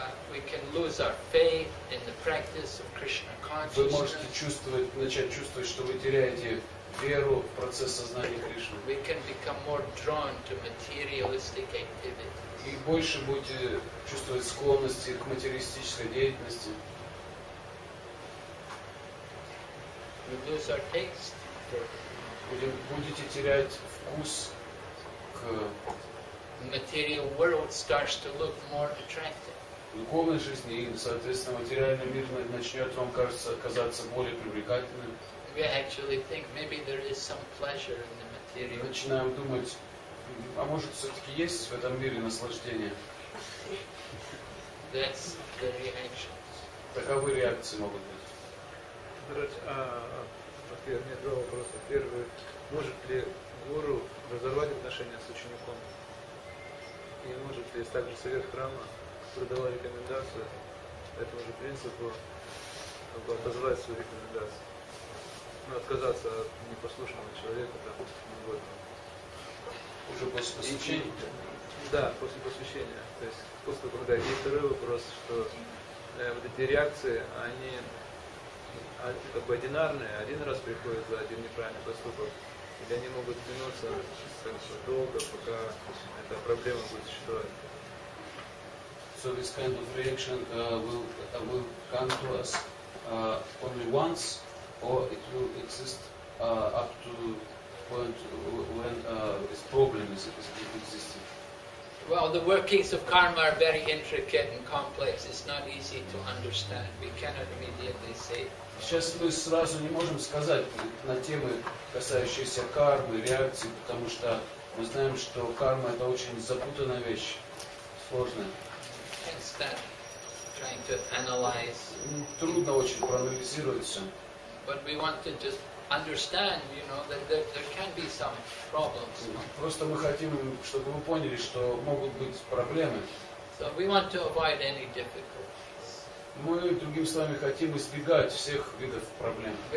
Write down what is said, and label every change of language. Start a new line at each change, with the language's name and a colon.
English: We can lose our faith in the practice of Krishna consciousness.
Russian: Вы можете начать чувствовать, что вы теряете веру в процесс сознания Кришны.
English: We can become more drawn to materialistic activity.
Russian: И больше будете чувствовать склонности к материалистической деятельности.
English: We lose our taste.
Russian: Будете терять вкус к
English: material world starts to look more attractive.
Russian: Духовной жизни, и, соответственно, материальный мир начнет вам казаться более привлекательным.
English: We actually think maybe there is some pleasure in the material.
Russian: Начинаем думать. А может, все-таки есть в этом мире наслаждение?
English: That's the reaction.
Russian: Таковы реакции могут быть. Во-первых, у меня два вопроса. Первый, может ли гуру разорвать отношения с учеником? И может ли также совет храма продавать рекомендацию этому же принципу, чтобы отозвать свою рекомендацию? Ну, отказаться от непослушного человека, там, угодно. Уже после посвящения? Да, после посвящения. То есть, после того, как есть второй вопрос, что вот эти реакции, они как бы одинарные, один раз приходят за один неправильный поступок, и они могут тянуться как бы долго, пока эта проблема будет существовать.
English: So this kind of reaction will come to us only once, or it will exist up to point when this problem is existing. Well, the workings of karma are very intricate and complex. It's not easy to understand. We cannot immediately say.
Russian: Сейчас мы сразу не можем сказать на темы, касающиеся кармы, реакции, потому что мы знаем, что карма — это очень запутанная вещь, сложная.
English: Instead, trying to analyze.
Russian: Трудно очень проанализировать все.
English: But we want to just understand, you know, that there can be some problems.
Russian: Просто мы хотим, чтобы вы поняли, что могут быть проблемы.
English: So we want to avoid any difficulties.
Russian: Мы, другим словами, хотим избегать всех видов проблем.